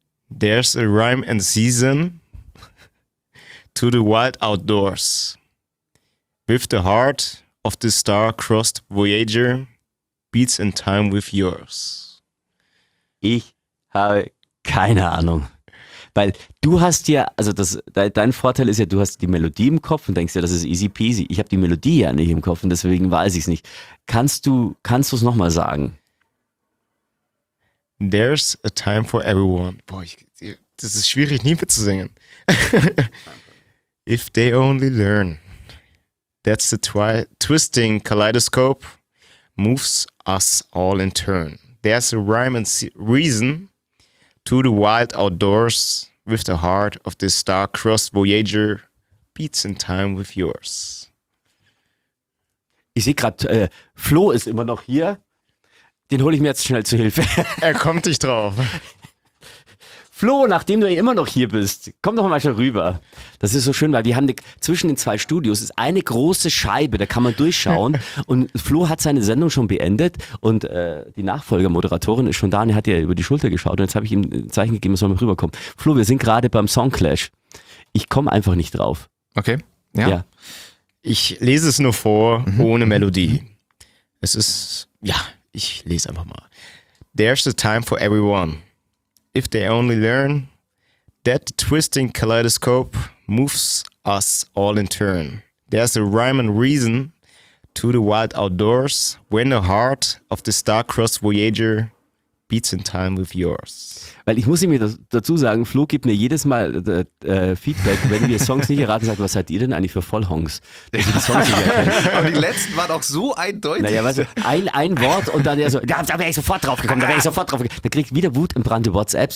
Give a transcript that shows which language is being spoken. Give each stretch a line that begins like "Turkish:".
English: There's a rhyme and season to the wild outdoors. With the heart of the star-crossed Voyager beats in time with yours.
German: Ich habe keine Ahnung. Weil du hast ja, also dein Vorteil ist ja, du hast die Melodie im Kopf und denkst ja, das ist easy peasy. Ich habe die Melodie ja nicht im Kopf und deswegen weiß ich es nicht. Kannst du es nochmal sagen?
English: There's a time for everyone.
German: Boah, das ist schwierig, nie mehr zu singen.
English: If they only learn, that's the twisting kaleidoscope moves us all in turn. There's a rhyme and reason to the wild outdoors. With the heart of this star-crossed Voyager beats in time with yours.
German: Ich sehe gerade, Flo ist immer noch hier. Den hole ich mir jetzt schnell zu Hilfe. Er kommt dich drauf. Flo, nachdem du ja immer noch hier bist, komm doch mal schon rüber. Das ist so schön, weil wir haben zwischen den zwei Studios ist eine große Scheibe, da kann man durchschauen. Und Flo hat seine Sendung schon beendet und die Nachfolgermoderatorin ist schon da und er hat ja über die Schulter geschaut. Und jetzt habe ich ihm ein Zeichen gegeben, er soll mal rüberkommen. Flo, wir sind gerade beim Songclash. Ich komme einfach nicht drauf. Okay, ja. Ich lese es nur vor, ohne Melodie. Es ist, ja, ich lese einfach mal.
English: There's the time for everyone. If they only learn that the twisting kaleidoscope moves us all in turn. There's a rhyme and reason to the wild outdoors when the heart of the star-crossed Voyager beats in time with yours.
German: Weil ich muss ihm dazu sagen, Flo gibt mir jedes Mal Feedback, wenn wir Songs nicht erraten, sagt, was seid ihr denn eigentlich für Vollhongs? Aber die letzten waren auch so eindeutig. Naja, weißt du, ein Wort und dann so, da wäre ich sofort drauf gekommen, Da kriegt wieder Wut im Brande WhatsApps.